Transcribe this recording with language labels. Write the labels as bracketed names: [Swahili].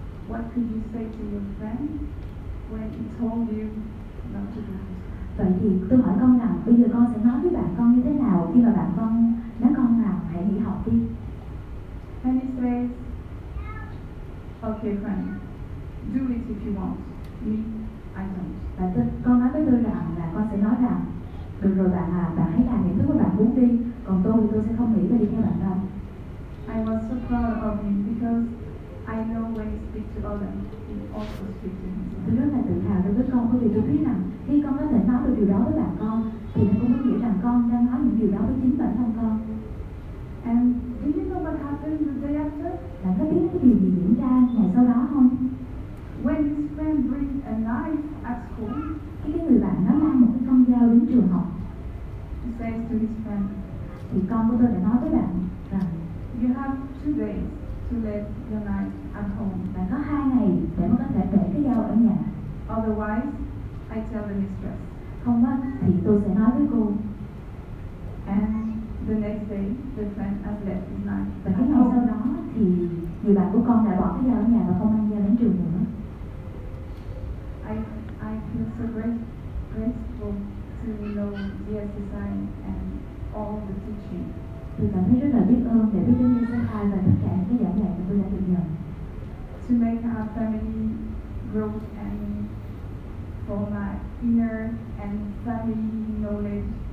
[English] What could you say to your friend when he told you not to do this? [Vietnamese] Vậy thì tôi hỏi con rằng bây giờ con sẽ nói với bạn con như thế nào khi mà bạn con nói con rằng hãy nghỉ học đi. [English] And he says, okay fine, do it if you want, me, I don't. [Vietnamese] Và con nói với tôi rằng là con sẽ nói rằng được rồi bạn à, bạn hãy làm những thứ mà bạn muốn đi, còn tôi sẽ không nghĩ và đi theo bạn đâu. [English] I was so proud of him because I know when he speaks to others, he also speaks to himself. [Vietnamese] Tôi rất là tự hào đối với con bởi vì tôi biết rằng khi con có thể nói được điều đó với bạn con, thì nó cũng có nghĩa rằng con đang nói những điều đó với chính bản thân con. [English] And do you know what happened the day after? [Vietnamese] Bạn có biết cái điều gì diễn ra ngày sau đó không? [English] When his friend brings a knife at school, [Vietnamese] cái người bạn nó mang một cái con dao đến trường học. [English] He says to his friend, [Vietnamese] thì con của tôi đã nói với bạn rằng, [English] you have 2 days to leave your knife at home. [Vietnamese] Bạn có 2 ngày để mà có thể để cái dao ở nhà. [English] Otherwise, I tell the mistress. [Vietnamese] Không á, thì tôi sẽ nói với cô. [English] And the next day, the friend has left his knife. [Vietnamese] Và cái ngày sau đó thì người bạn của con đã bỏ cái dao ở nhà và không mang dao đến trường nữa. [English] I feel so grateful to know GS Design and all the teaching. [Vietnamese] Tôi cảm thấy rất là biết ơn để biết đến GS Design và tất cả những cái giảng dạy mà tôi đã được nhận. [English] To make our family grow and for my inner and family knowledge.